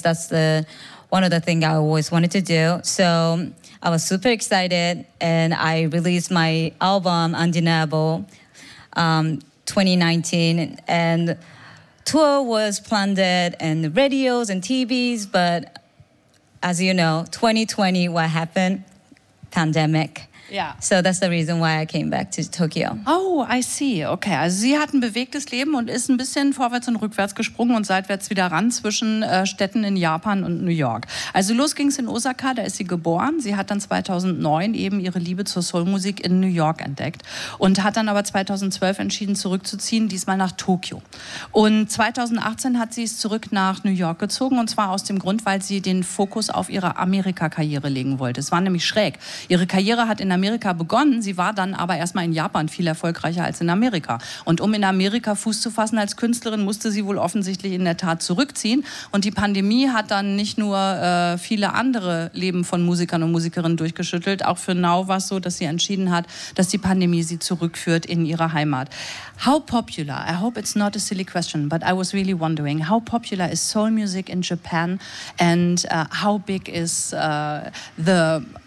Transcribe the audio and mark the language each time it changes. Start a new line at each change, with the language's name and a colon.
English: That's one of the things I always wanted to do. So I was super excited, and I released my album Undeniable 2019. And tour was planned, and radios and TVs. But as you know, 2020, what happened? Pandemic. Yeah. So that's the reason why I came back to Tokyo. Oh, I see. Okay.
German: Also sie hat ein bewegtes Leben und ist ein bisschen vorwärts und rückwärts gesprungen und seitwärts wieder ran zwischen Städten in Japan und New York. Also los ging es in Osaka, da ist sie geboren. Sie hat dann 2009 eben ihre Liebe zur Soulmusik in New York entdeckt und hat dann aber 2012 entschieden, zurückzuziehen, diesmal nach Tokio. Und 2018 hat sie es zurück nach New York gezogen, und zwar aus dem Grund, weil sie den Fokus auf ihre Amerika-Karriere legen wollte. Es war nämlich schräg. Ihre Karriere hat in Amerika begonnen. Sie war dann aber erstmal in Japan viel erfolgreicher als in Amerika. Und um in Amerika Fuß zu fassen als Künstlerin, musste sie wohl offensichtlich in der Tat zurückziehen. Und die Pandemie hat dann nicht nur viele andere Leben von Musikern und Musikerinnen durchgeschüttelt. Auch für Nao war es so, dass sie entschieden hat, dass die Pandemie sie zurückführt in ihre Heimat.
English: How popular, I hope it's not a silly question, but I was really wondering, how popular is soul music in Japan, and how big is the...